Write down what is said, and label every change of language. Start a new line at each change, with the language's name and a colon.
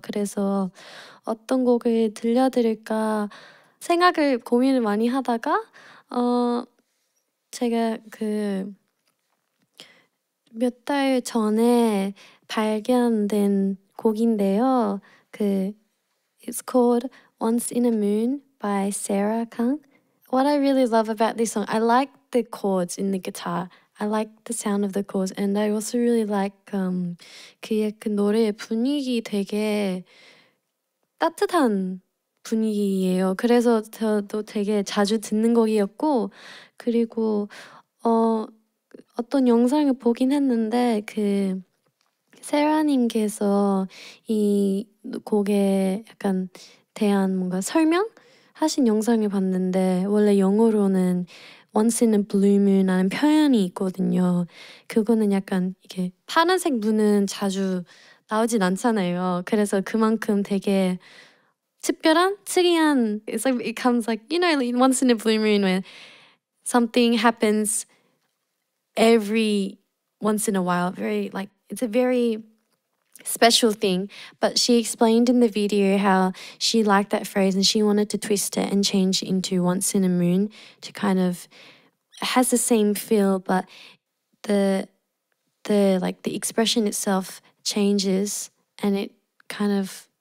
Korean: 그래서 어떤 곡을 들려드릴까 생각을 고민을 많이 하다가 제가 그몇달 전에 발견된 곡인데요.
English: 그 It's called Once in a Moon by Sarah Kang. What I really love about this song, I like the chords in the guitar. I like the sound of the chords, and I also really like
Korean: 그의 그 노래의 분위기 되게 따뜻한 분위기예요. 그래서 저도 되게 자주 듣는 곡이었고, 그리고 어떤 영상을 보긴 했는데 그 세라님께서 이 곡에 약간 대한 뭔가 설명 하신 영상을 봤는데, 원래 영어로는
English: Once in a Blue Moon
Korean: 이라는 표현이 있거든요. 그거는 약간 이게 파란색 눈은 자주 나오진 않잖아요. 그래서 그만큼 되게 특별한, 특이한.
English: It's like it comes like, you know, once in a blue moon when something happens every once in a while. Very like it's a very special thing. But she explained in the video how she liked that phrase and she wanted to twist it and change it into once in a moon to kind of has the same feel, but the expression itself changes and it kind of.